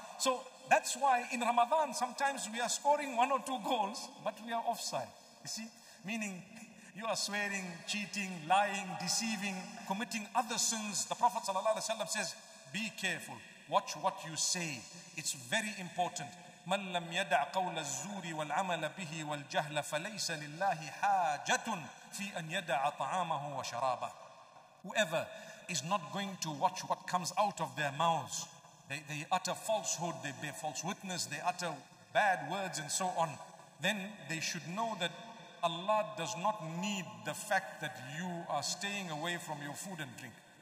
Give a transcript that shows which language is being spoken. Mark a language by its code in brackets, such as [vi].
[en] So that's why in Ramadan, sometimes we are scoring 1 or 2 goals, but we are offside. You see, meaning you are swearing, cheating, lying, deceiving, committing other sins. The Prophet ﷺ says, be careful, watch what you say. It's very important. [ar] من لم يدع قول الزور والعمل به والجهل فليس لله حاجة في أن يدع طعامه وشرابه. [en] Whoever is not going to watch what comes out of their mouths, they utter falsehood, they bear false witness, they utter bad words and so on, then they should know that Allah does not need the fact that you are staying away from your food and drink.